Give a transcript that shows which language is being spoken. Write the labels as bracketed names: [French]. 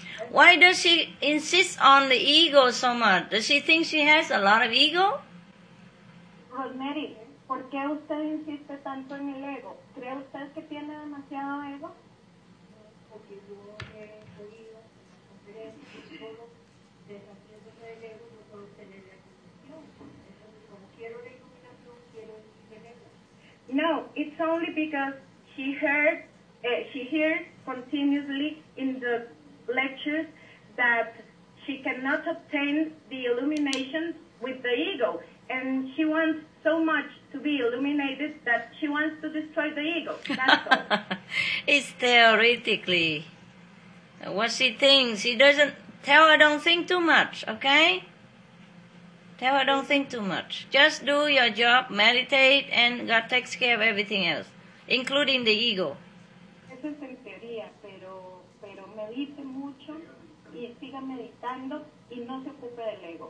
[English] Why does she insist on the ego so much? Does she think she has a lot of ego? [Spanish] Rosemary, ¿por qué usted insiste tanto en el ego? ¿Cree usted que tiene demasiado ego? [English] No, it's only because she hears continuously in the lectures that she cannot obtain the illumination with the ego, and she wants so much to be illuminated that she wants to destroy the ego. That's all. It's theoretically what she thinks. She doesn't tell her don't think too much, okay? Tell her don't think too much. Just do your job, meditate, and God takes care of everything else, including the ego. [Spanish] Eso es en teoría, pero medite mucho y siga meditando y no se ocupe del ego.